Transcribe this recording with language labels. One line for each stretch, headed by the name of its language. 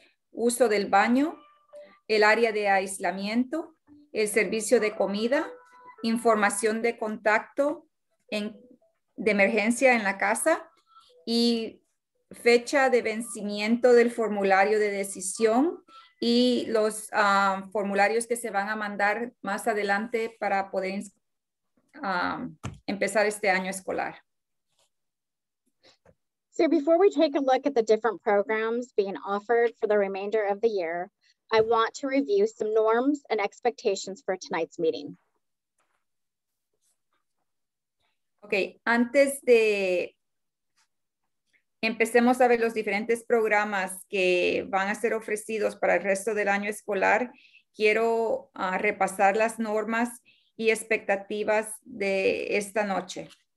Spanish: uso del baño, el área de aislamiento, el servicio de comida, información de contacto de emergencia en la casa y fecha de vencimiento del formulario de decisión y los formularios que se van a mandar más adelante para poder empezar este año escolar.
English: So before we take a look at the different programs being offered for the remainder of the year, I want to review some norms and expectations for tonight's meeting.
Spanish: Okay, antes de empecemos a ver los diferentes programas que van a ser ofrecidos para el resto del año escolar, quiero repasar las normas y expectativas de esta noche.